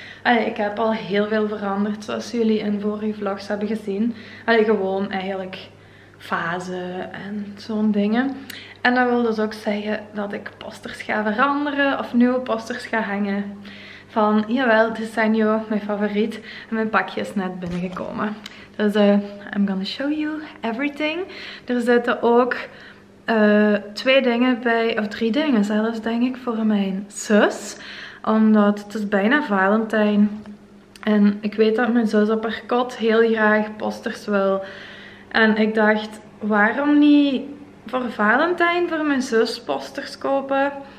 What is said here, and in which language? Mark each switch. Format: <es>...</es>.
<nl>Allee, ik heb al heel veel veranderd, zoals jullie in vorige vlogs hebben gezien. Allee, gewoon eigenlijk fasen en zo'n dingen. En dat wil dus ook zeggen dat ik posters ga veranderen of nieuwe posters ga hangen. Van, jawel, het is Senjo, mijn favoriet. En mijn pakje is net binnengekomen.</nl> <en>Dus, I'm gonna show you everything.</en> <nl>Er zitten ook twee dingen bij, of drie dingen zelfs, denk ik, voor mijn zus. Omdat het is bijna Valentijn. En ik weet dat mijn zus op haar kot heel graag posters wil. En ik dacht, waarom niet voor Valentijn voor mijn zus posters kopen?</nl>